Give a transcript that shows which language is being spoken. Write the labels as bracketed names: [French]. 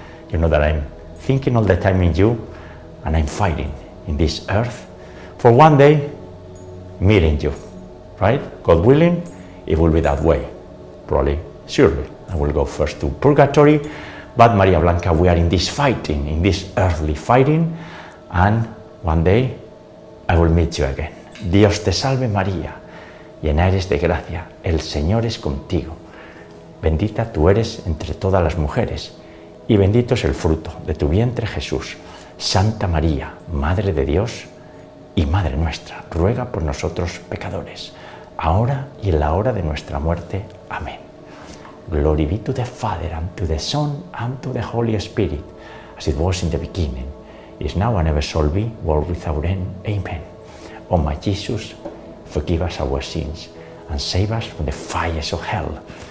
[English] You know that I'm thinking all the time in you, and I'm fighting in this earth for one day meeting you, right? God willing, it will be that way. Probably, surely, I will go first to purgatory, but Maria Blanca, we are in this fighting, in this earthly fighting, and one day I will meet you again. [Spanish] Dios te salve María, llena eres de gracia, el Señor es contigo. Bendita tú eres entre todas las mujeres, y bendito es el fruto de tu vientre, Jesús. Santa María, Madre de Dios y Madre nuestra, ruega por nosotros pecadores, ahora y en la hora de nuestra muerte. Amén. [English] Glory be to the Father, and to the Son, and to the Holy Spirit, as it was in the beginning, is now and ever shall be, world without end. Amen. Oh my Jesus, forgive us our sins, and save us from the fires of hell.